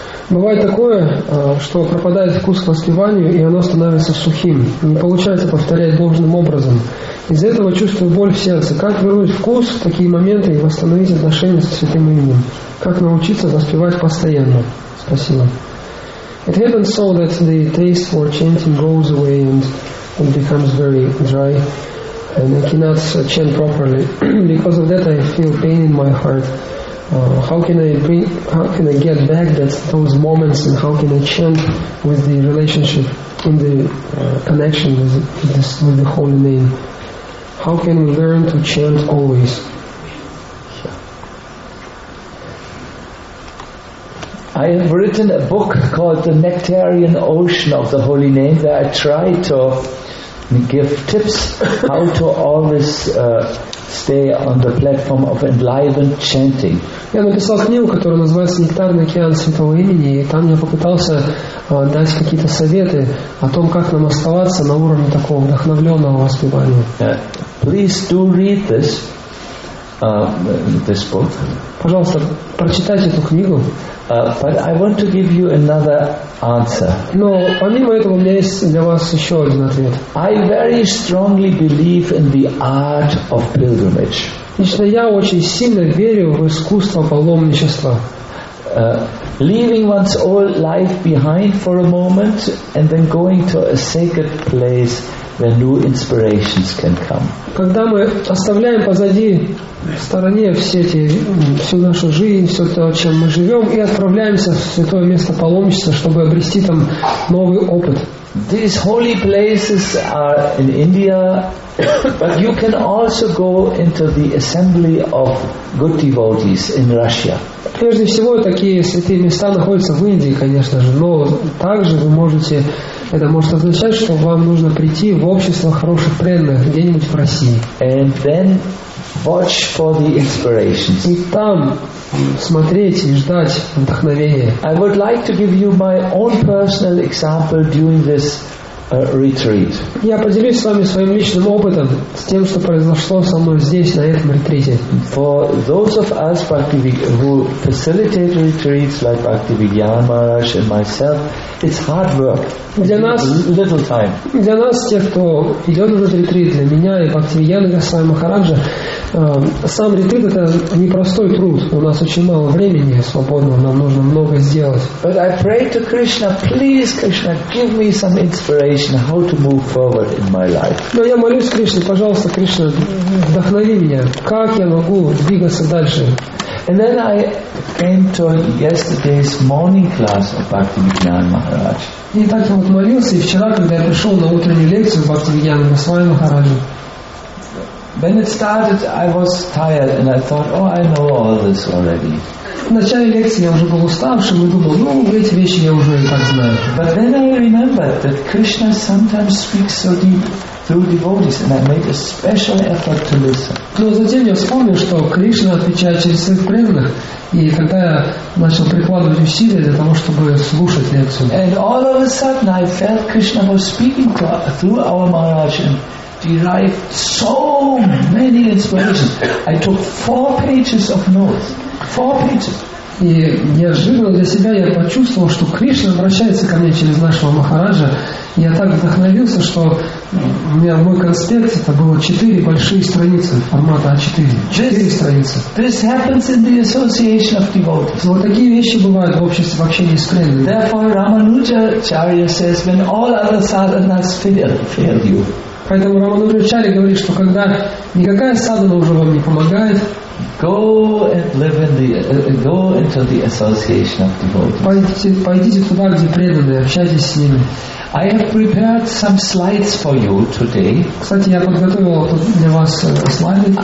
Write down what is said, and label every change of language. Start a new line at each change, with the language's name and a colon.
Russian: Бывает такое, что пропадает вкус к воспеванию, и оно становится сухим. Не получается повторять должным образом. Из-за этого чувствую боль в сердце. Как вернуть вкус в такие моменты и восстановить отношения со Святым Именем? Как научиться воспевать постоянно? Спасибо.
English: It happens so that the taste for chanting goes away and it becomes very dry. And I cannot chant properly. Because of that I feel pain in my heart. How can I get back those moments, and how can I chant with the relationship in the connection with the Holy Name? How can we learn to chant always? I have written a book called The Nectarian Ocean of the Holy Name, where I try to give tips how to always stay on the platform of enlivened chanting.
Russian: Я написал книгу, которая называется «Нектарный океан Святого Имени», и там я попытался дать какие-то советы о том, как нам оставаться на уровне такого вдохновленного воспевания.
English: Please do read this book.
Russian: Пожалуйста, прочитайте эту книгу.
English: But I want to give you another answer.
Russian: Но помимо этого у меня есть для вас еще один ответ.
English: I very strongly believe in the art of pilgrimage.
Russian: Лично я очень сильно верю в искусство паломничества.
English: Leaving one's old life behind for a moment and then going to a sacred place where new inspirations can come.
Russian: Когда мы оставляем позади в стороне всю нашу жизнь, все то, чем мы живем, и отправляемся в святое место паломничества, чтобы обрести там новый опыт.
English: These holy places are in India, but you can also go into the assembly of good devotees in Russia.
Russian: Прежде всего, такие святые места находятся в Индии, конечно же, но также вы можете, это может означать, что вам нужно прийти в общество хороших преданных где-нибудь в России.
English: And then watch for the inspirations.
Russian: И там смотреть и ждать вдохновения.
English: I would like to give you my own personal example during this retreat.
Russian: Я поделюсь с вами своим личным опытом с тем, что произошло со мной здесь, на этом ретрите.
English: For those of us who facilitate retreats like Bhakti Vigyan Maharaj and myself, it's hard work.
Russian: Для нас,
English: little time.
Russian: Для нас, тех, кто идет на этот ретрит, для меня и Бхакти Вигьяна Госвами Махараджа, сам ретрит — это непростой труд. У нас очень мало времени свободного, нам нужно много сделать.
English: But I pray to Krishna, please, Krishna, give me some inspiration how to move forward in my life.
Russian: Но я молюсь Кришне, пожалуйста, Кришна, вдохнови меня, как я могу двигаться дальше.
English: And then I came to yesterday's morning class of Bhakti Vigyan Maharaj.
Russian: И так я вот молился, и вчера, когда я пришел на утреннюю лекцию в Бхакти Вигьяна Госвами Махараджа.
English: When it started, I was tired, and I thought, "Oh, I know all this already."
Russian: В начале лекции я уже был уставшим и думал, ну, эти вещи я уже и так знаю.
English: But then I remembered that Krishna sometimes speaks so deep through devotees, and I made a special effort to listen.
Russian: Но затем я вспомнил, что Кришна отвечает через своих преданных, и когда я начал прикладывать усилия для того, чтобы слушать лекцию.
English: And all of a sudden, I felt Krishna was speaking to, through our Maharaj and derived so many inspirations. I took 4 pages of notes. 4 pages.
Russian: И неожиданно для себя я почувствовал, что Кришна обращается ко мне через нашего Махараджа. Я так вдохновился, что у меня мой конспект, это было 4 большие страницы формата А4. 4 страницы.
English: This happens in the association of devotees.
Russian: Вот такие вещи бывают в обществе, в общении с преданными.
English: Therefore, Рамануджачарья says, when all other sadhanas fail you.
Russian: Поэтому Рамануджачарья говорит, что когда никакая садхана уже вам не помогает,
English: go and live in the go into the association of devotees.
Russian: Пойдите туда, где преданные, общайтесь с ними.
English: I have prepared some slides for you today.
Russian: Кстати, я подготовил для вас слайды.